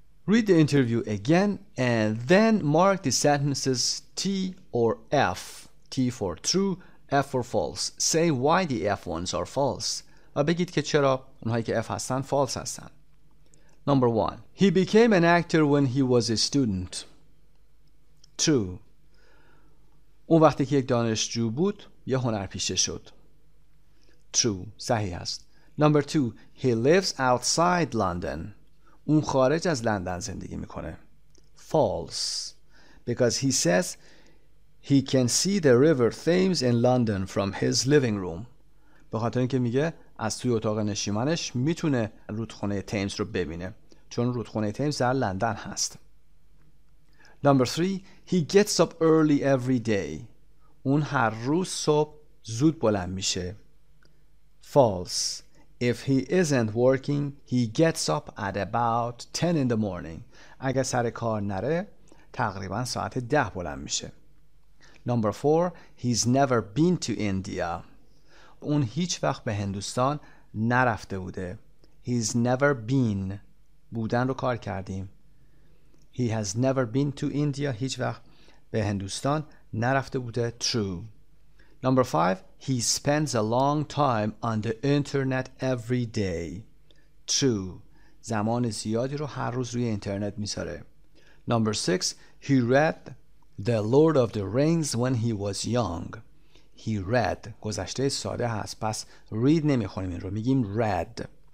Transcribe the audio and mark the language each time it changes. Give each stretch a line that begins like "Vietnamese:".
English: Read the interview again and then mark the sentences T or F T for true, F for false Say why the F ones are false
Persian: و بگید که چرا اونهایی که F هستن false هستن
English: Number one, he became an actor when he was a student. True.
Persian: اون وقتی که یک دانشجو بود یه هنرپیشه شد.
English: True.
Persian: صحیح است.
English: Number two, he lives outside London.
Persian: اون خارج از لندن زندگی میکنه.
English: False. Because he says he can see the River Thames in London from his living room.
Persian: به خاطر اینکه میگه از توی اتاق نشیمنش میتونه رودخونه تیمز رو ببینه. چون رودخونه تیمز در لندن هست.
English: Number 3, he gets up early every day.
Persian: اون هر روز صبح زود بلند میشه.
English: False. If he isn't working, he gets up at about 10 in the morning.
Persian: اگه سر کار نره، تقریبا ساعت 10 بلند میشه.
English: Number 4, he's never been to India.
Persian: اون هیچ وقت به هندوستان نرفته بوده.
English: He's never been
Persian: بودن رو کار کردیم
English: He has never been to India
Persian: هیچ وقت به هندوستان نرفته بوده
English: True Number 5 He spends a long time on the internet every day True
Persian: زمان زیادی رو هر روز روی اینترنت میذاره
English: Number 6 He read The Lord of the Rings when he was young He read
Persian: گذشته ساده هست پس read نمیخونیم این رو میگیم
English: read